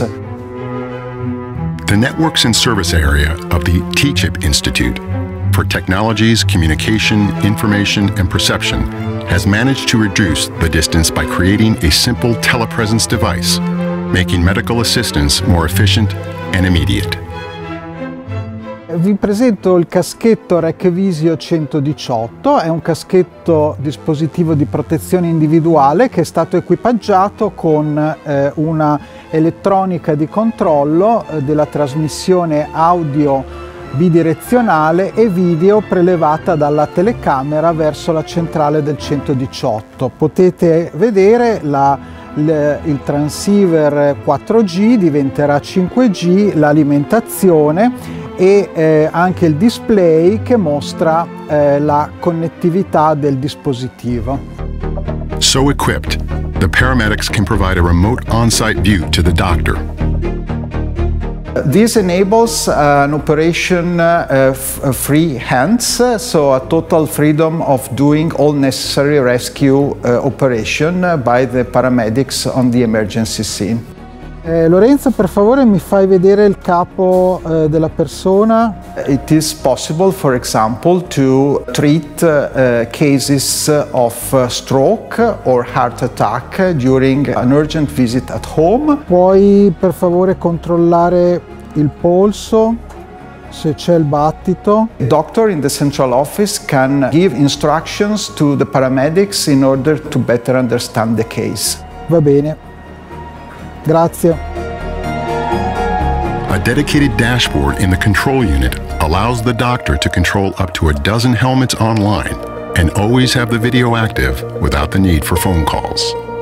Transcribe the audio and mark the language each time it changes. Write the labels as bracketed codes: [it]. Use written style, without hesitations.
[en] The networks and service area of the TCHIP Institute for Technologies, Communication, Information, and Perception has managed to reduce the distance by creating a simple telepresence device, making medical assistance more efficient and immediate. [it] Vi presento il caschetto RecVisio 118, è un caschetto dispositivo di protezione individuale che è stato equipaggiato con una elettronica di controllo della trasmissione audio bidirezionale e video prelevata dalla telecamera verso la centrale del 118. Potete vedere il transceiver 4G diventerà 5G, l'alimentazione e anche il display che mostra la connettività del dispositivo. [en] So equipped, the paramedics can provide a remote on-site view to the doctor. This enables an operation free hands, so a total freedom of doing all necessary rescue operation by the paramedics on the emergency scene. [it] Lorenzo, per favore, mi fai vedere il capo della persona. [en] It is possible, for example, to treat cases of stroke or heart attack during an urgent visit at home. [it] Puoi, per favore, controllare il polso, se c'è il battito. [en] The doctor in the central office can give instructions to the paramedics in order to better understand the case. [it] Va bene. Grazie. [en] A dedicated dashboard in the control unit allows the doctor to control up to a dozen helmets online and always have the video active without the need for phone calls.